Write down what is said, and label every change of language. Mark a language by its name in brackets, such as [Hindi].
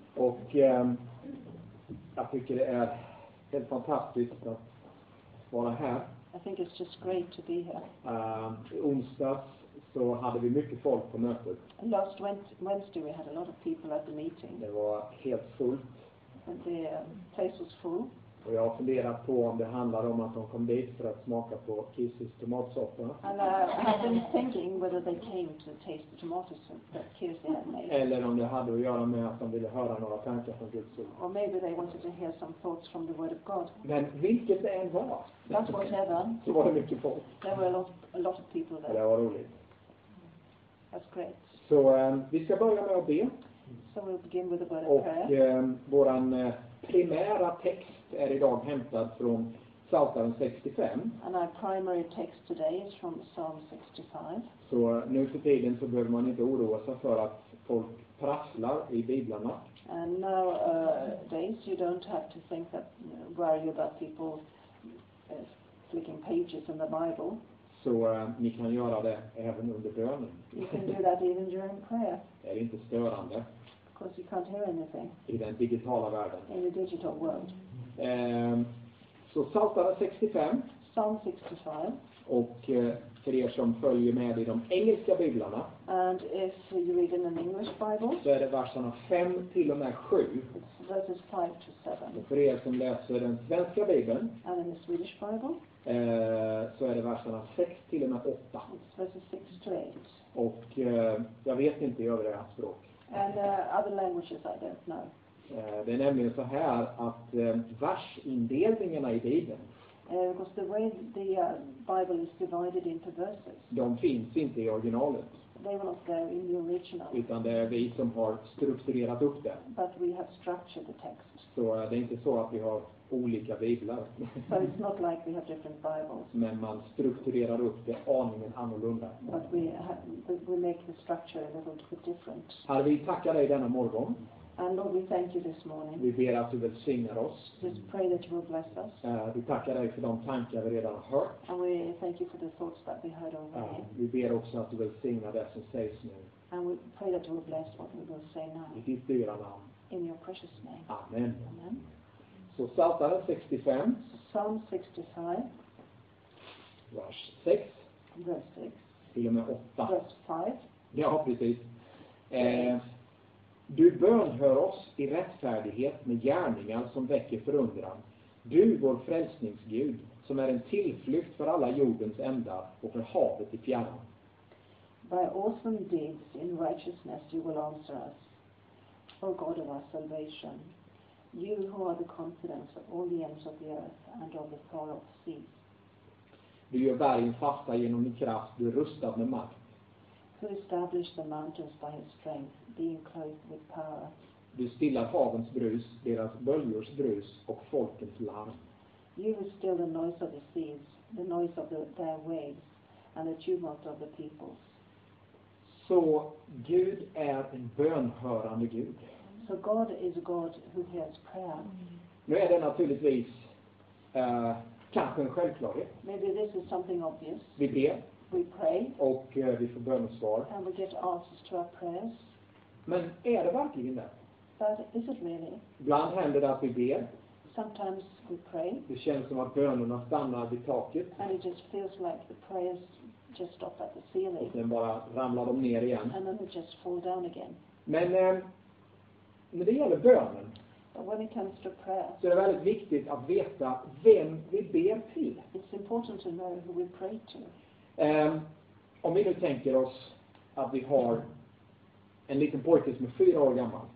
[Swedish] Och jag tycker det är helt fantastiskt att vara här. [English] I think it's just great to be here. [Swedish] Onsdags så hade vi mycket folk på mötet. [English] Last Wednesday we had a lot of people at the meeting. [Swedish] Det var helt fullt. [English] And the place was full. [Swedish] Och jag har funderat på om det handlar om att de kom dit för att smaka på Kirsis tomatsoppa. [English] I've been thinking whether they came to taste the tomato soup that Kirsi had made. [Swedish] Eller om det hade att göra med att de ville höra några tankar från Guds ord. [English] Or maybe they wanted to hear some thoughts from the word of God. [Swedish] Men vilket det än var. [English] But whatever. [Swedish] Så var det mycket folk. [English] There were a lot of people there. [Swedish] Det var roligt. [English] That's great. [Swedish] Så vi ska börja med att be. [English] So we'll begin with a word of [Swedish] och, [English] prayer. [Swedish] Och våran primära text är idag hämtad från Psaltaren 65. [English] And our primary text today is from Psalm 65. [Swedish] Så nu för tiden så behöver man inte oroa sig för att folk prasslar i biblarna. [English] And now days you don't have to think that worry about people flicking pages in the Bible. [Swedish] Så ni kan göra det även under bönen. [English] You can do that even during prayer. [Swedish] Är det inte störande? [English] Because you can't hear anything. [Swedish] I den digitala världen. [English] In the digital world. [Swedish] Så Psaltaren 65. [English] Psalm 65. [Swedish] Och för er som följer med i de engelska biblarna. [English] And if you read in an English Bible. [Swedish] Så är det verserna 5 till och med 7. [English] Verses 5 to 7. [Swedish] Och för er som läser den svenska bibeln. [English] And in the Swedish Bible. [Swedish] Så är det verserna 6 till och med 8. [English] Verses 6 to 8. [Swedish] Och jag vet inte över det här språk. [English] And other languages I don't know. [Swedish] Det är nämligen så här att versindelningarna i Bibeln. [English] Because the way the Bible is divided into verses. [Swedish] De finns inte i originalet. [English] They were not there in the original. [Swedish] Utan det är vi som har strukturerat upp det. [English] But we have structured the text. [Swedish] Så det är inte så att vi har olika biblar. [English] So it's not like we have different Bibles. [Swedish] Men man strukturerar upp det aningen annorlunda. [English] But we make the structure a little bit different. [Swedish] Herre, vi tackar dig denna morgon. [English] And Lord, we thank you this morning. [Swedish] Vi ber att du välsignar oss. [English] Just pray that you will bless us. [Swedish] Vi tackar dig för de tankar vi redan har hört. [English] And we thank you for the thoughts that we heard already. [Swedish] Vi ber också att du välsignar det som sägs nu. [English] And we pray that you will bless what we will say now. [Swedish] I ditt dyra namn. [English] In your precious name. [Swedish] Amen. [English] Amen. [Swedish] Så Psaltaren 65. [English] Psalm 65. [Swedish] Vers 6. [English] Vers 6. [Swedish] Till och med 8. [English] Vers 5. [Swedish] Ja, precis. Du bönhör oss i rättfärdighet med gärningar som väcker förundran. Du, vår frälsningsgud, som är en tillflykt för alla jordens ändar och för havet i fjärran. [English] By awesome deeds in righteousness you will answer us, O God of our salvation. You who are the confidence of all the ends of the earth and of the far off seas. [Swedish] Du gör bergen fasta genom din kraft, du rustar med makt. [English] Who established the mountains by his strength, being clothed with power. [Swedish] Du stillar havens brus, deras böljors brus och folkens larm. [English] You still the noise of the seas, the noise of their waves and the tumult of the peoples. [Swedish] Så Gud är en bönhörande Gud. [English] So God is God who hears prayer. [Swedish] Nu är det naturligtvis kanske en självklarhet. [English] Maybe this is something obvious. [Swedish] Vi ber. [English] We pray. [Swedish] Och vi får bönesvar. [English] And we get answers to our prayers. [Swedish] Men är det verkligen det? [English] But is it really? [Swedish] Ibland händer det att vi ber. [English] Sometimes we pray. [Swedish] Det känns som att bönerna stannar vid taket. [English] And it just feels like the prayers just stop at the ceiling. [Swedish] Och sen bara ramlar de ner igen. [English] And then they just fall down again. [Swedish] Men när det gäller bönen. [English] But when it comes to prayer. [Swedish] Så är det väldigt viktigt att veta vem vi ber till. [English] It's important to know who we pray to. [Swedish] Om vi nu tänker oss att vi har en liten pojke som är 4 år gammal.